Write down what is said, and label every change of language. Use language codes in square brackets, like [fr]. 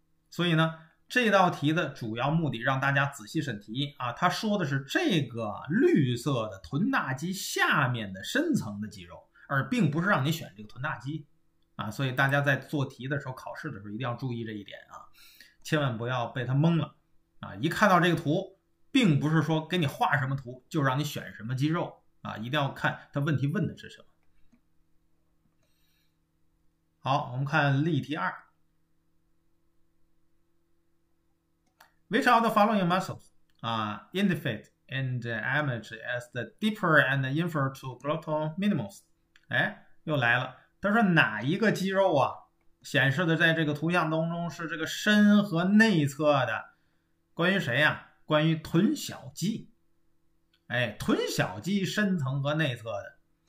[zh] 所以呢，这道题的主要目的让大家仔细审题啊，他说的是这个绿色的臀大肌下面的深层的肌肉，而并不是让你选这个臀大肌啊。所以大家在做题的时候、考试的时候一定要注意这一点啊，千万不要被他蒙了。啊，一看到这个图，并不是说给你画什么图就让你选什么肌肉啊，一定要看它问题问的是什么。好，我们看例题二： [en] Which of the following muscles indicate an image as the deeper and inferior to gluteal minimus？ [zh] 哎，又来了，他说哪一个肌肉啊显示的在这个图像当中是这个深和内侧的？关于谁呀？关于臀小肌。哎，臀小肌深层和内侧的。